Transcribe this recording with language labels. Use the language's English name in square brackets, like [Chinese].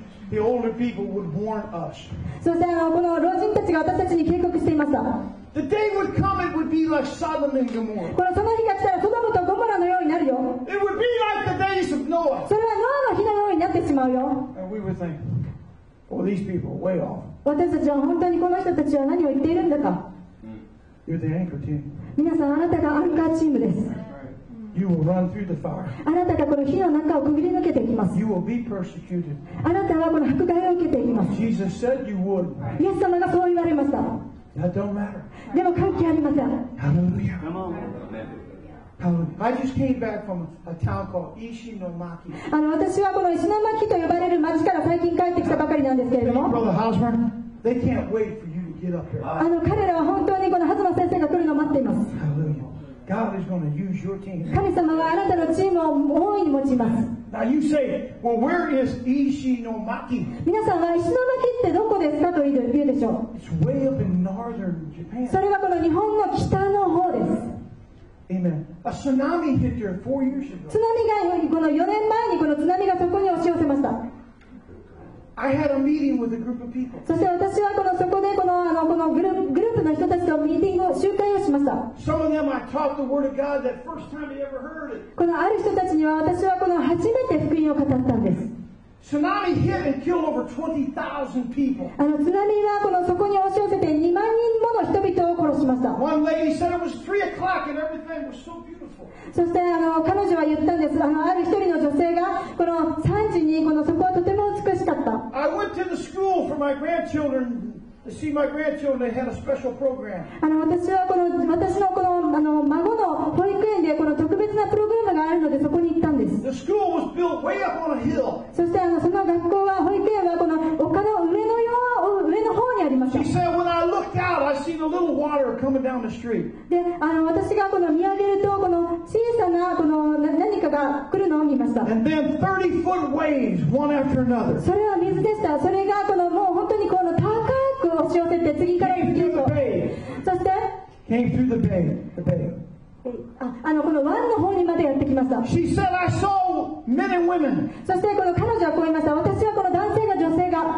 [English] The older people would warn us. [Japanese] そしてこの老人たちが私たちに警告していました。 [English] The day would come, it would be like Sodom and Gomorrah. [Japanese] このその日が来たらソドムとゴモラのようになるよ。 [English] It would be like the days of Noah. [Japanese] それはノアの日のようになってしまうよ。 [English] And we would think, oh, these people are way off. [Japanese] 私たちは本当にこの人たちは何を言っているんだか。 [English] You're the anchor team. [Japanese] 皆さんあなたがアンカーチームです。 [English] You will run through the fire. [Japanese] あなたがこの火の中をくぐり抜けていきます。 [English] You will be persecuted. [Japanese] あなたはこの迫害を受けていきます。 [English] Jesus said you would. [Japanese] イエス様がそう言われました。 [English] That don't matter. [Japanese] でも関係ありません。 [English] Hallelujah. Come on. Hallelujah. I just came back from a town called Ishinomaki. [Japanese] 私はこの石巻と呼ばれる町から最近帰ってきたばかりなんですけれども。 [English] Brother Hosmer, they can't wait for you to get up here. [Japanese] 彼らは本当にこの弾馬先生が来るのを待っています。 [English] Hallelujah. God is going to use your team. [Japanese] 神様はあなたのチームを大いに持ちます。 [English] Now you say, well, where is Ishinomaki? [Japanese] 皆さんは石巻ってどこですかと言うでしょう。 [English] It's way up in northern Japan. [Japanese] それはこの日本の北の方です。 [English] Amen. A tsunami hit there 4 years ago. [Japanese] 津波がこの4年前にこの津波がそこに押し寄せました。 [English] I had a meeting with a group of people. [Japanese] そして私はこのそこでこのグループの人たちとミーティングを集会をしました。 [English] Some of them I taught the word of God that first time they ever heard it. [Japanese] このある人たちには私はこの初めて福音を語ったんです。 [English] Tsunami hit and killed over 20,000 people. [Japanese] 津波はこのそこに押し寄せて2万人もの人々を殺しました。 [English] One lady said it was 3 o'clock and everything was so beautiful. [Japanese] そして彼女は言ったんです。ある一人の女性がこの3時にこのそこはとても美しかった。 [English] I went to the school for my grandchildren to see my grandchildren. They had a special program. [Japanese] 私はこの私のこの孫の保育園でこの特別なプログラムがあるのでそこに行ったんです。 [English] The school was built way up on a hill. [Japanese] そしてその学校は保育園はこの丘の上のよう上の方にありました。 [English] She said, when I looked out, I seen a little water coming down the street. [Japanese] で、私がこの見上げるとこの小さなこの何かが来るのを見ました。 [English] And then 30 foot waves, one after another. [Japanese] それは水でした。それがこのもう本当にこの高く押し寄せて次から次へと。そして。 [English] Came through the bay. The bay. [Japanese] この湾の方にまでやってきました。 [English] She said, I saw men and women. [Japanese] そしてこの彼女はこう言いました。私はこの男性が女性が。